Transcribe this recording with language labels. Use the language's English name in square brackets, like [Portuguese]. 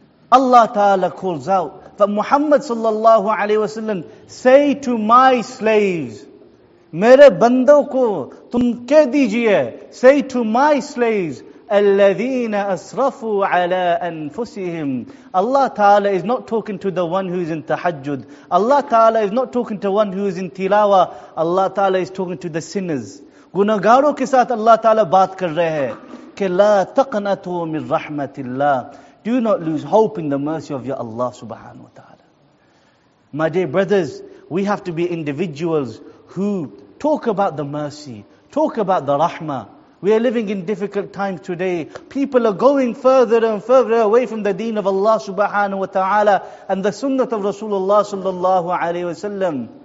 [English] Allah Ta'ala calls out. But Muhammad sallallahu alayhi wa sallam, say to my slaves, [Urdu] میرے بندوں کو تم کہہ دیجیے، [English] say to my slaves, [Arabic] الَّذِينَ أَسْرَفُوا عَلَىٰ أَنفُسِهِمْ. [English] Allah Ta'ala is not talking to the one who is in tahajjud. Allah Ta'ala is not talking to one who is in tilawa. Allah Ta'ala is talking to the sinners. [Urdu] گناہگاروں کے ساتھ اللہ تعالیٰ بات کر رہے ہے۔ [Arabic] Ke la taqnatu min rahmatillah. [English] Do not lose hope in the mercy of your Allah subhanahu wa ta'ala. My dear brothers, we have to be individuals who talk about the mercy, talk about the rahmah. We are living in difficult times today. People are going further and further away from the deen of Allah subhanahu wa ta'ala and the sunnah of Rasulullah sallallahu alayhi wa sallam.